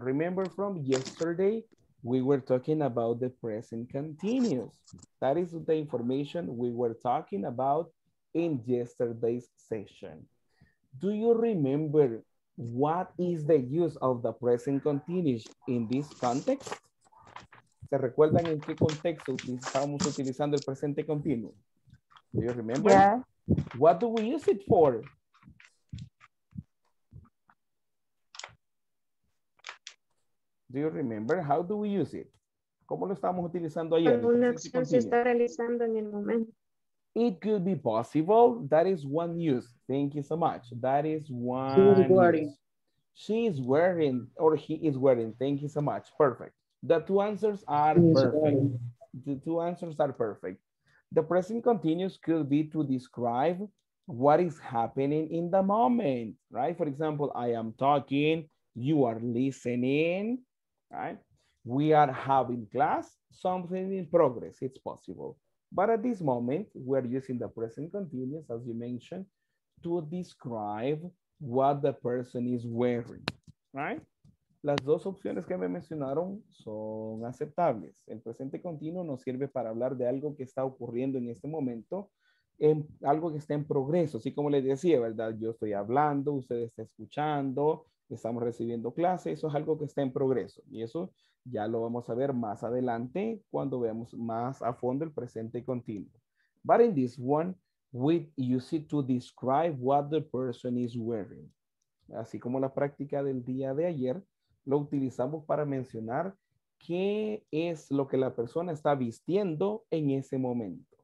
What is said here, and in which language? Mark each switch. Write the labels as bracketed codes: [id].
[en] Remember from yesterday, we were talking about the present continuous. That is the information we were talking about in yesterday's session. Do you remember what is the use of the present continuous in this context? [es] ¿Se recuerdan en qué contexto estábamos utilizando el presente continuo? [en] Do you remember? Yeah. What do we use it for? Do you remember? How do we use it? [es] ¿Cómo lo estamos utilizando ayer? Una acción se está realizando en el momento. [en] It could be possible. That is one use. Thank you so much. That is one use. She is wearing or he is wearing. Thank you so much. Perfect. The two answers are perfect. The two answers are perfect. The present continuous could be to describe what is happening in the moment, right? For example, I am talking, you are listening. Right, we are having class, something in progress, it's possible. But at this moment, we're using the present continuous, as you mentioned, to describe what the person is wearing, right? [es] Las dos opciones que me mencionaron son aceptables. El presente continuo nos sirve para hablar de algo que está ocurriendo en este momento, en algo que está en progreso, así como les decía, ¿verdad? Yo estoy hablando, usted está escuchando, estamos recibiendo clases, eso es algo que está en progreso. Y eso ya lo vamos a ver más adelante cuando veamos más a fondo el presente continuo. [en] But in this one, we use it to describe what the person is wearing. [es] Así como la práctica del día de ayer, lo utilizamos para mencionar qué es lo que la persona está vistiendo en ese momento.